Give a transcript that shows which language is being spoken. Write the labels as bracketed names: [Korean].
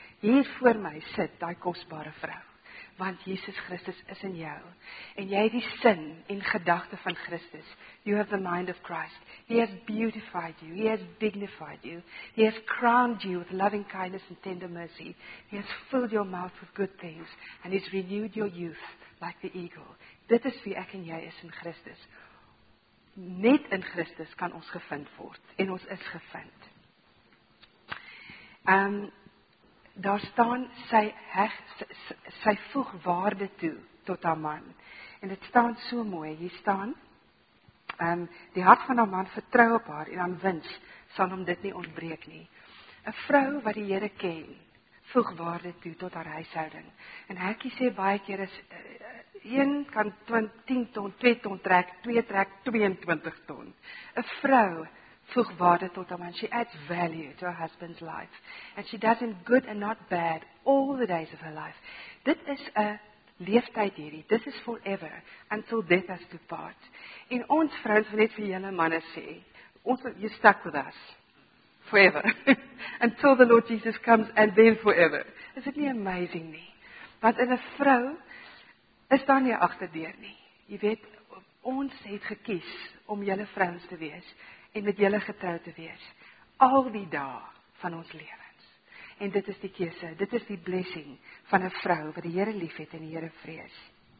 [Afrikaans] Hier voor my sit daai kosbare vrou, want Jesus Christus is in jou, en jy het die sin en gedagte van Christus, [English] you have the mind of Christ, he has beautified you, he has dignified you, he has crowned you with loving kindness and tender mercy, he has filled your mouth with good things, and he's renewed your youth, like the eagle. [Afrikaans] Dit is wie ek en jy is in Christus. Net in Christus kan ons gevind word. En ons is gevind. Daar staan, sy voeg waarde toe, tot haar man. En dit staan so mooi, hier staan, die hart van haar man vertrou op haar, en aan wins, sal hom dit nie ontbreek nie. 'N vrou wat die Here ken, voeg waarde toe, tot haar huishouding. En Hekkie sê baie keer is, 1 kan 10 ton, 2 ton trek, 2 trek 22 ton. 'N vrou voeg waarde tot haar man. [English] She adds value to her husband's life. And she does him good and not bad all the days of her life. [Afrikaans] Dit is 'n leeftyd hierdie. [English] This is forever until death us do part. [Afrikaans] En ons vrouens wil net vir julle manne sê, ons wil [English] you stuck with us forever. Until the Lord Jesus comes and then forever. [Afrikaans] Is dit nie amazing nie? Want in 'n vrou is daar nie agterdeur nie. Jy weet, ons het gekies om julle vrouens te wees en met julle getrou te wees al die dae van ons lewens. En dit is die keuse, dit is die blessing van 'n vrou wat die Here liefhet en die Here vrees.